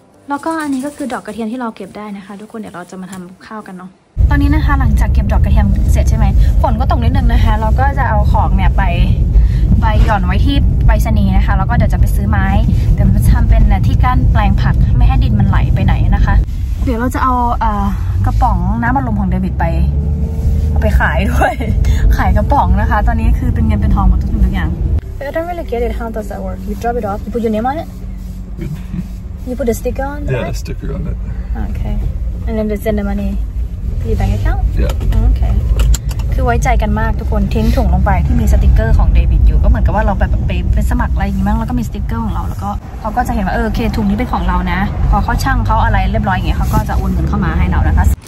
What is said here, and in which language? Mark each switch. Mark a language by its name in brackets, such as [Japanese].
[Thai] แล้วก็อันนี้ก็คือดอกกระเทียมที่เราเก็บได้นะคะทุกคนเดี๋ยวเราจะมาทำข้าวกันเนาะตอนนี้นะคะหลังจากเก็บดอกกระเทียมเสร็จใช่ไหมฝนก็ตกนิดนึงนะคะเราก็จะเอาของเนี่ยไปหย่อนไว้ที่ไปรษณีย์นะคะแล้วก็เดี๋ยวจะไปซื้อไม้เดี๋ยวทำเป็นที่กั้นแปลงผักไม่ให้ดินมันไหลไปไหนนะคะเดี๋ยวเราจะเอากระป๋องน้ำอัดลมของเดวิดไปขายด้วยขายกระป๋องนะคะตอนนี้คือเป็นเงินเป็นทองหมดทุกอย่าง [English] I don't really get it how does that work you drop it off you put your name on it you put a sticker on yeah a sticker on it okay and then they send the money [Thai] อยู่แบงก์แอคเคา ท์โอเคคือไว้ใจกันมากทุกคนทิ้งถุงลงไปที่มีสติกเกอร์ของเดวิดอยู่ก็เหมือนกับว่าเราไปสมัครอะไรอย่างงี้มั้งแล้วก็มีสติกเกอร์ของเราแล้วก็เขาก็จะเห็นว่าเออโอเคถุงนี้เป็นของเรานะพอเขาช่างเขาอะไรเรียบร้อยอย่างเงี้ยเขาก็จะโอนเงินเข้ามาให้เรานะคะ